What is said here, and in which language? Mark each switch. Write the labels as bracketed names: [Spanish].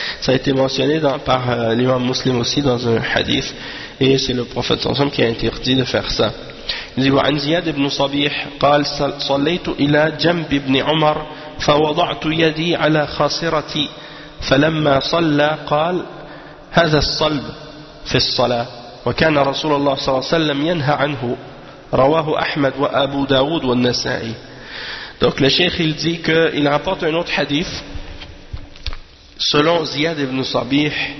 [French] Ça a été mentionné par l'imam muslim aussi dans un hadith. Et c'est le prophète صلى الله عليه وسلم qui a interdit de faire ça. Il dit, [Arabic] وعن زياد بن صبيح قال صليت إلى جنب ابن عمر فوضعت يدي على خاصرتي فلما صلى قال هذا الصلب في الصلاة وكان رسول الله صلى الله عليه وسلم ينهى عنه رواه أحمد وأبو داود والنسائي. [French] Donc le cheikh il dit qu'il rapporte un autre hadith selon Ziyad ibn Sabih.